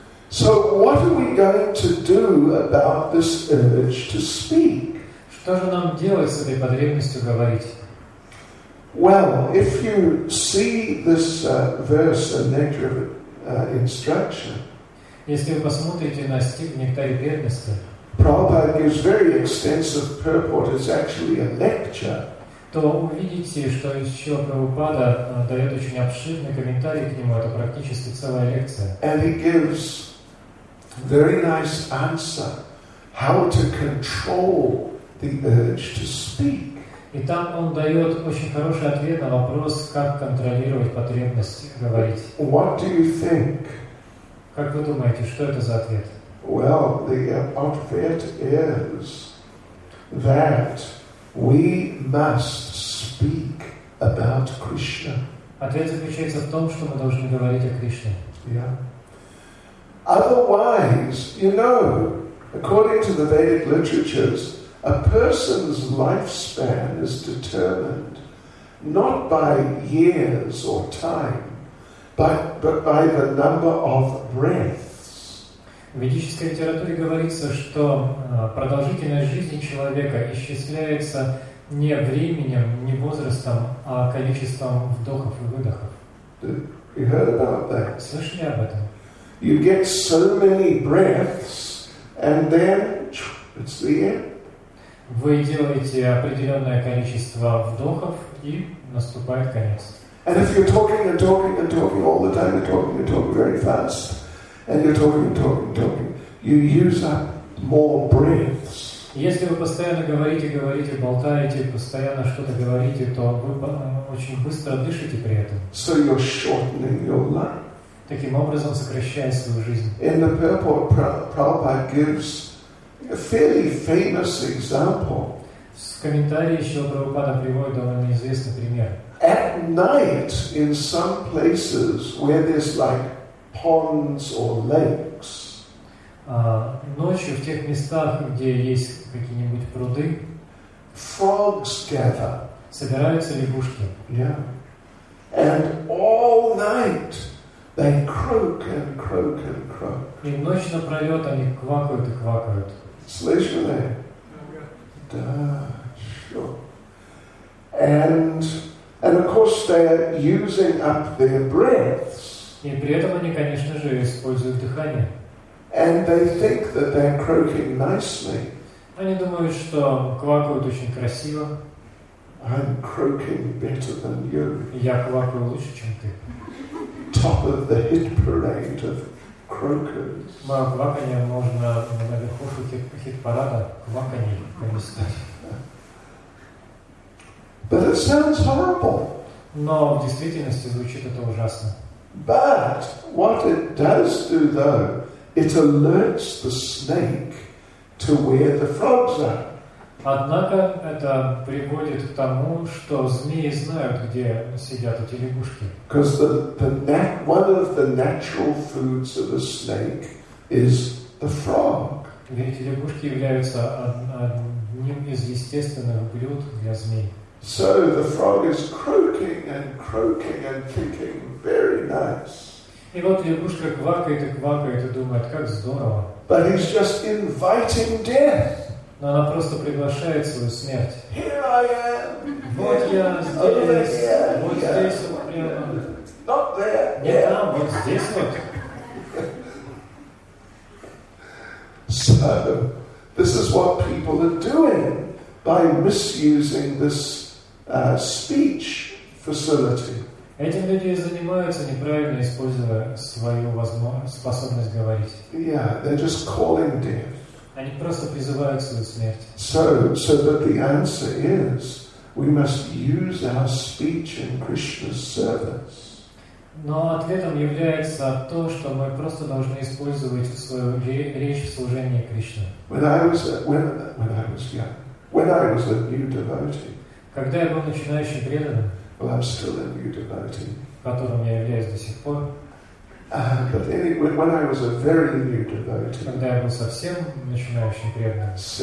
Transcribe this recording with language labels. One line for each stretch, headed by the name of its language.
English: So what are we going to do about this urge to speak?
Russian: Что же нам делать с этой потребностью говорить?
English: Well, if you see this verse in nectar instruction,
Russian: если вы посмотрите на стих нектаре бедности,
English: Prabhupada gives very extensive purport. It's actually a lecture.
Russian: То увидите, что из чего Прабхупада дает очень обширный комментарий к нему. Это практически целая лекция.
English: And he gives very nice answer how to control the urge to speak.
Russian: И там он дает очень хороший ответ на вопрос, как контролировать потребность говорить.
English: What do you think?
Russian: Как вы думаете, что это за ответ?
English: Well, the
Russian: ответ
English: is that we must speak about Krishna.
Russian: Ответ заключается в том, что мы должны говорить о Кришне.
English: Yeah. Otherwise, you know, according to the Vedic literatures, a person's lifespan is determined not by years or time, but by the number of breaths.
Russian: В ведической литературе говорится, что продолжительность жизни человека исчисляется не временем, не возрастом, а количеством вдохов и выдохов.
English: You heard about that?
Russian: Слышали об этом?
English: You get so many breaths, and then it's the end.
Russian: Вы делаете определенное количество вдохов, и наступает конец.
English: And if you're talking and talking and talking all the time, you're talking very fast, and you're talking, you use up more breaths.
Russian: Если вы постоянно говорите, болтаете, постоянно что-то говорите, то вы очень быстро дышите при этом.
English: So you're shortening your life.
Russian: Таким образом, сокращая свою жизнь.
English: In the purport, Prabhupada gives a fairly famous example.
Russian: В комментарии еще Прабхупада приводит довольно известный пример.
English: At night, in some places where there's like ponds or lakes,
Russian: ночью в тех местах, где есть какие-нибудь пруды,
English: frogs gather.
Russian: Собираются лягушки.
English: Yeah. And all night they croak and croak and croak.
Russian: И ночь напролет они квакают и квакают. Слышали? Да.
English: Sure. And of course they're using up their breaths.
Russian: И при этом они, конечно же, используют дыхание.
English: And they think that they're croaking nicely.
Russian: Они думают, что квакают очень красиво.
English: I'm croaking better than you.
Russian: Я квакаю лучше, чем ты.
English: Top of the hit parade of croakers.
Russian: Мое кваканье можно на верхушке хит-парада кваканье поместить.
English: But it sounds horrible.
Russian: Но в действительности звучит это ужасно.
English: But what it does do, though, it alerts the snake to where the frogs are.
Russian: Однако это приводит к тому, что змеи знают, где сидят эти лягушки.
English: Because one of the natural foods of a snake is the frog.
Russian: Ведь эти лягушки являются одним из естественных блюд для змей.
English: So the frog is croaking and croaking and thinking very nice.
Russian: И вот лягушка квакает и думает, как здорово.
English: But he's just inviting death.
Russian: Но она просто приглашает свою смерть.
English: Here I am.
Russian: Вот я здесь. Вот здесь вот прямо.
English: Not there.
Russian: Не там, вот здесь вот.
English: So, this is what people are doing by misusing this speech facility.
Russian: Этим люди занимаются, неправильно используя свою способность говорить.
English: Yeah, they're just calling death.
Russian: Они просто призывают свою смерть.
English: So that the answer is, we must use our speech in Krishna's service.
Russian: Но ответом является то, что мы просто должны использовать свою речь в служении Кришне.
English: When I was a new devotee.
Russian: Когда я был начинающим преданным.
English: Well, I'm still a new devotee.
Russian: Которым я являюсь до сих пор.
English: But when I was a very new devotee,
Russian: когда я был совсем начинающим преданным,